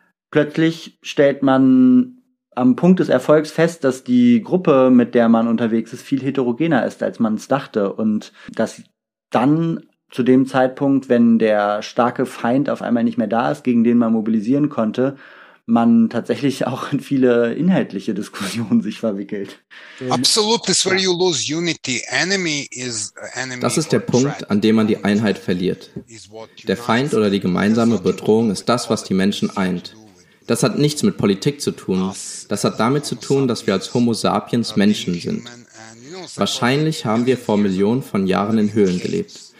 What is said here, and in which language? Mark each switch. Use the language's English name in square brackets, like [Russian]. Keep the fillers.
[German] Plötzlich stellt man am Punkt des Erfolgs fest, dass die Gruppe, mit der man unterwegs ist, viel heterogener ist, als man es dachte. Und dass dann zu dem Zeitpunkt, wenn der starke Feind auf einmal nicht mehr da ist, gegen den man mobilisieren konnte, man tatsächlich auch in viele inhaltliche Diskussionen sich verwickelt. [English] Absolut, this where you lose unity. Enemy is enemy. [German] Das ist der Punkt, an dem man die Einheit verliert. Der Feind oder die gemeinsame Bedrohung ist das, was die Menschen eint. Das hat nichts mit Politik zu tun. Das hat damit zu tun, dass wir als Homo sapiens Menschen sind. Wahrscheinlich haben wir vor Millionen von Jahren in Höhlen gelebt.